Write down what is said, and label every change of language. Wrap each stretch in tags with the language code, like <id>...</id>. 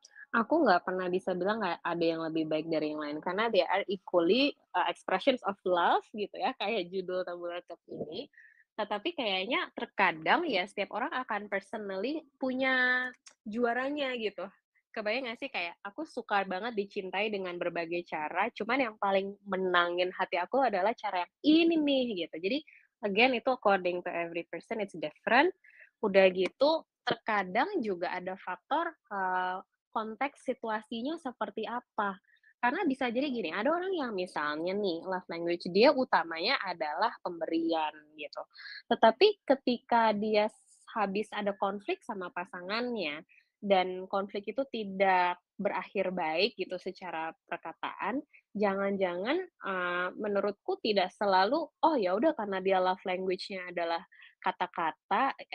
<id>Aku nggak pernah bisa bilang nggak ada yang lebih baik dari yang lain, karena</id> <en>they are equally expressions of love</en> <id>gitu ya, kayak judul Tabula Talk ini. Tetapi kayaknya terkadang ya setiap orang akan personally punya juaranya gitu. Kebayang nggak sih, kayak aku suka banget dicintai dengan berbagai cara, cuman yang paling menangin hati aku adalah cara yang ini nih gitu. Jadi</id> <en>again</en> <id>itu</id> <en>according to every person it's different.</en> <id>Udah gitu terkadang juga ada faktor konteks situasinya seperti apa. Karena bisa jadi gini, ada orang yang misalnya nih, love language dia utamanya adalah pemberian gitu. Tetapi ketika dia habis ada konflik sama pasangannya, dan konflik itu tidak berakhir baik gitu secara perkataan, jangan-jangan menurutku tidak selalu, ya udah karena dia love language-nya adalah kata-kata,</id>